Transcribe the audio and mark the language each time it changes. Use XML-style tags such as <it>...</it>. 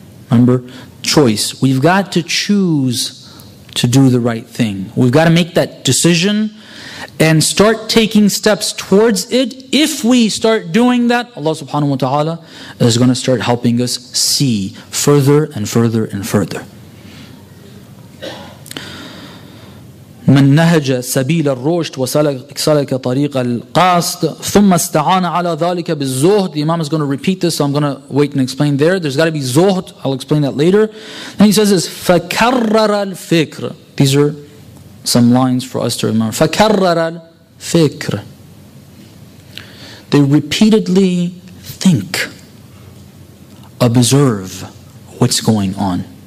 <en>Remember, choice. We've got to choose to do the right thing. We've got to make that decision and start taking steps towards it. If we start doing that, Allah subhanahu wa ta'ala is going to start helping us see further and further and further.</en> <ar>من نهج سبيل الرشد وسلك طريق القاصد ثم استعان على ذلك بالزهد.</ar> <en>The Imam is going to repeat this, so I'm going to wait and explain there. There's got to be زهد. I'll explain that later. Then he says this,</en> <ar>فكرر الفكر.</ar> <en>These are some lines for us to remember.</en> <ar>فكرر الفكر.</ar> <en>They repeatedly think, observe what's going on.</en>